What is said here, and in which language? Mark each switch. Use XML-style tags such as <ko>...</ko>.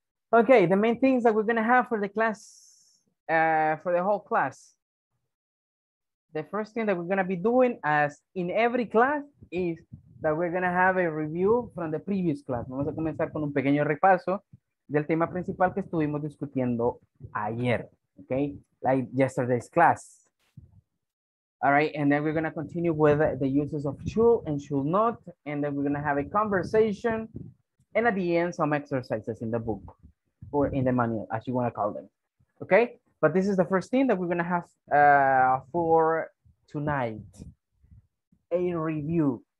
<en>Okay, the main things that we're going to have for the class, for the whole class. The first thing that we're going to be doing, as in every class, is that we're going to have a review from the previous class.</en> <es>Vamos a comenzar con un pequeño repaso del tema principal que estuvimos discutiendo ayer, okay?</es> <en>Like yesterday's class. All right, and then we're going to continue with the uses of should and should not, and then we're going to have a conversation, and at the end, some exercises in the book or in the manual, as you want to call them, okay? But this is the first thing that we're going to have for tonight, a review.</en>